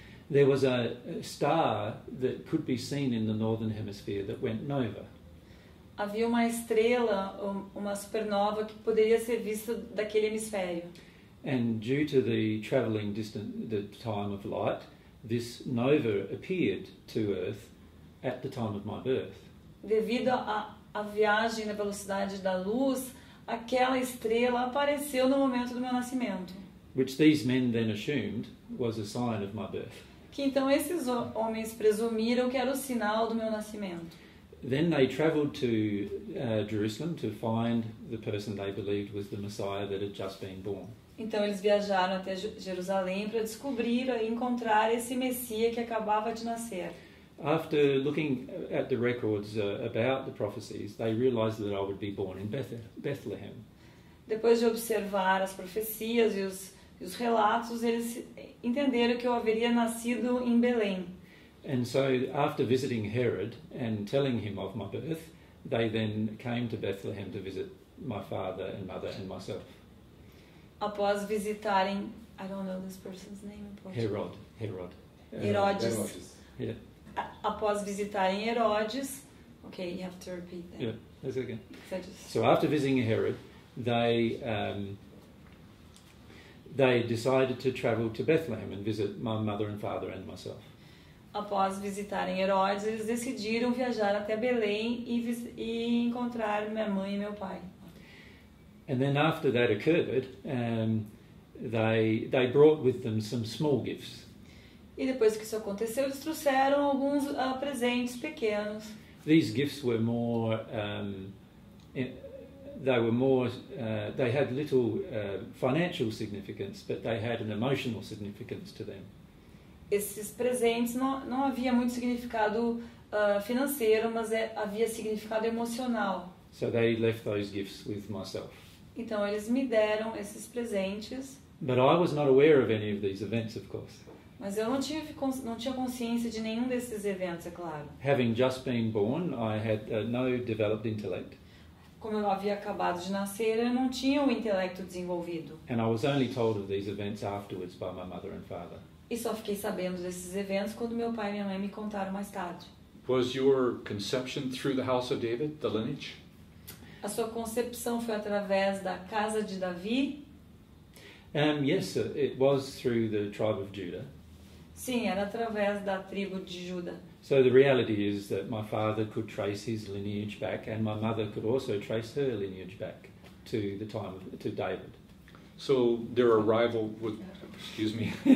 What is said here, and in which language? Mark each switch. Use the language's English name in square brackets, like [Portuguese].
[English] There was a star that could be seen in the northern hemisphere that went nova. [Portuguese] Havia uma estrela, uma supernova que poderia ser vista daquele hemisfério. [English] And due to the traveling distance, the time of light, this nova appeared to Earth at the time of my birth. [Portuguese] Devido à viagem na velocidade da luz, aquela estrela apareceu no momento do meu nascimento. [English] Which these men then assumed was a sign of my birth. [Portuguese] Que então esses homens presumiram que era o sinal do meu nascimento. [English] Then they traveled to Jerusalem to find the person they believed was the Messiah that had just been born. [Portuguese] Então eles viajaram até Jerusalém para descobrir e encontrar esse Messias que acabava de nascer. [English] After looking at the records about the prophecies, they realized that I would be born in Bethlehem. [Portuguese] Depois de observar as profecias e os E os relatos, eles entenderam que eu haveria nascido em Belém. [English] And so after visiting Herod and telling him of my birth, they then came to Bethlehem to visit my father and mother and myself. [Portuguese] Após visitarem, [English] I don't know this person's name in Portuguese. Herod. [Portuguese] Herodes. [English] Yeah. [Portuguese] Após visitarem Herodes, [English] okay, you have to repeat that. Yeah, that's okay. So after visiting Herod, they decided to travel to Bethlehem and visit my mother and father and myself. [Portuguese] Após visitarem Herodes, eles decidiram viajar até Belém e encontrar minha mãe e meu pai. [English] And then after that occurred, they brought with them some small gifts. [Portuguese] E depois que isso aconteceu, eles trouxeram alguns presentes pequenos. [English] These gifts were more, they were more, they had little financial significance, but they had an emotional significance to them. [Portuguese] Esses presentes não havia muito significado financeiro, mas havia significado emocional. [English] So they left those gifts with myself. [Portuguese] Então eles me deram esses presentes. [English] But I was not aware of any of these events, of course. [Portuguese] Mas eu não tinha consciência de nenhum desses eventos, é claro. [English] Having just been born, I had no developed intellect. [Portuguese] Como eu havia acabado de nascer, eu não tinha o intelecto desenvolvido. [English] And I was only told of these events afterwards by my mother and father. [Portuguese] E só fiquei sabendo desses eventos quando meu pai e minha mãe me contaram mais tarde. [English] Was your conception through the house of David, the lineage? [Portuguese] A sua concepção foi através da casa de Davi? [English] Yes, it was through the tribe of Judah. [Portuguese] Sim, era através da tribo de Judá. [English] So the reality is that my father could trace his lineage back, and my mother could also trace her lineage back to the time of, to David. So their arrival with, excuse me.